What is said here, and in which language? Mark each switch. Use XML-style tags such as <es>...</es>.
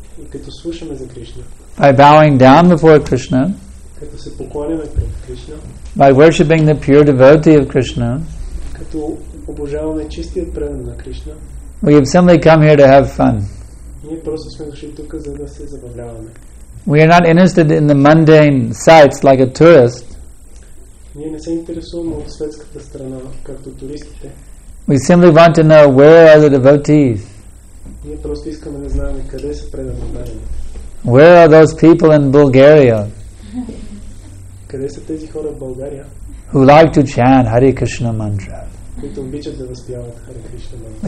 <bg>И като слушаме за Кришна.</bg> <en>By bowing down before Krishna.</en> <bg>Като се поклоняме пред Кришна.</bg> <en>By worshipping the pure devotee of Krishna.</en> <bg>Като обожаваме чистия предан на Кришна.</bg> <en>We have simply come here to have fun.</en> <bg>Ние просто сме дошли тук, за да се забавляваме.</bg> <en>We are not interested in the mundane sights like a tourist.</en> <bg>Ние не се интересуваме от светската страна, както туристите.</bg> <en>We simply want to know where are the devotees.</en> <bg>Ние просто искаме да знаем къде са преданите.</bg> <en>Where are those people in Bulgaria?</en> <bg>Къде са тези хора в България?</bg> <en>Who like to chant Hare Krishna mantra?</en> <bg>Които обичат да възпяват Hare Krishna mantra.</bg>